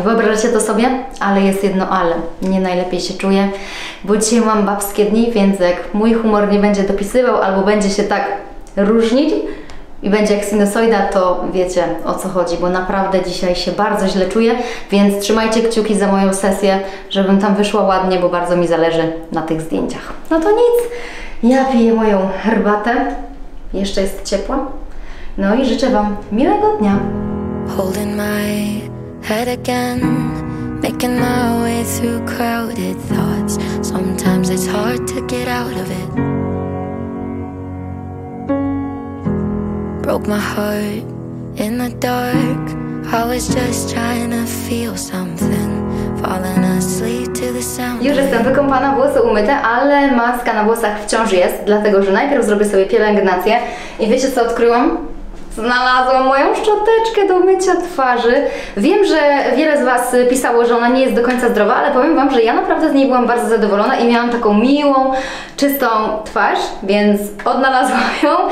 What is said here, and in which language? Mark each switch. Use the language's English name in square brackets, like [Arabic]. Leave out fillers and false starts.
[Polish] Wyobrażacie to sobie? Ale jest jedno ale. Nie najlepiej się czuję, bo dzisiaj mam babskie dni, więc jak mój humor nie będzie dopisywał albo będzie się tak różnić, i będzie jak sinusoida, to wiecie o co chodzi, bo naprawdę dzisiaj się bardzo źle czuję, więc trzymajcie kciuki za moją sesję, żebym tam wyszła ładnie, bo bardzo mi zależy na tych zdjęciach. No to nic, ja piję moją herbatę, jeszcze jest ciepła, no i życzę Wam miłego dnia. [English] Holding my head again, making my way through crowded thoughts. Sometimes it's hard to get out of it. Broke my heart in the dark. I was just trying to feel something. Falling asleep to the sound. [Polish] Już jestem wykąpana, włosy umyte, ale maska na włosach wciąż jest, dlatego że najpierw zrobię sobie pielęgnację. I wiecie co odkryłam? Znalazłam moją szczoteczkę do mycia twarzy. Wiem, że wiele z Was pisało, że ona nie jest do końca zdrowa, ale powiem Wam, że ja naprawdę z niej byłam bardzo zadowolona i miałam taką miłą, czystą twarz, więc odnalazłam ją.